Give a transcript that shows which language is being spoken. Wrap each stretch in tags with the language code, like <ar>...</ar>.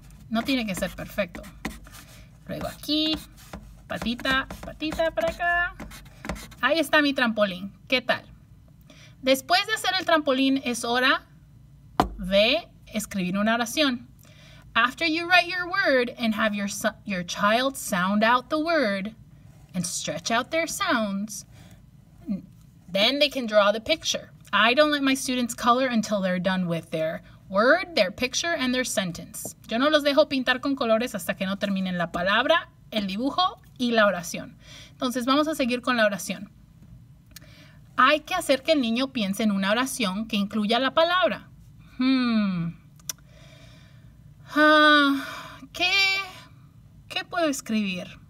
<es>No tiene que ser perfecto. Luego aquí, patita, patita para acá. Ahí está mi trampolín. ¿Qué tal? Después de hacer el trampolín es hora de escribir una oración.</es> <en>After you write your word and have your child sound out the word and stretch out their sounds, then they can draw the picture. I don't let my students color until they're done with their word, their picture, and their sentence.</en> <es>Yo no los dejo pintar con colores hasta que no terminen la palabra, el dibujo y la oración. Entonces vamos a seguir con la oración. Hay que hacer que el niño piense en una oración que incluya la palabra. ¿Qué puedo escribir?</es>